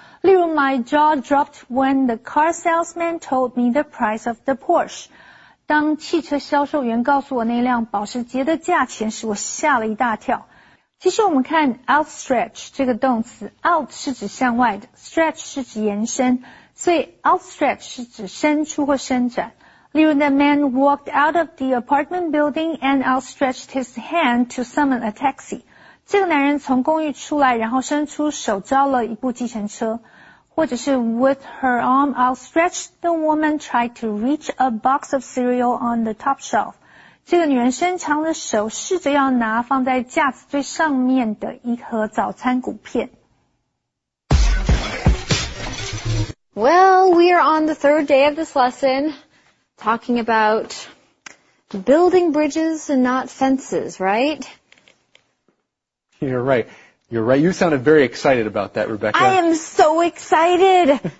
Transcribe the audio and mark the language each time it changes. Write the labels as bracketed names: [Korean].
[Chinese] 例如 [English] my jaw dropped when the car salesman told me the price of the Porsche. [Chinese] 当汽车销售员告诉我那辆保时捷的价钱时，我吓了一大跳。其实我们看 outstretch 这个动词， out 是指向外的， stretch 是指延伸，所以 outstretch 是指伸出或伸展。例如 [English] ，The man walked out of the apartment building and outstretched his hand to summon a taxi. [Chinese] 这个男人从公寓出来，然后伸出手招了一部计程车。或者是 [English] ，With her arm outstretched, the woman tried to reach a box of cereal on the top shelf. [Chinese] 这个女人伸长的手，试着要拿放在架子最上面的一盒早餐谷片。 [English] Well, we are on the third day of this lesson, talking about building bridges and not fences, right? You're right. You're right. You sounded very excited about that, Rebecca. I am so excited!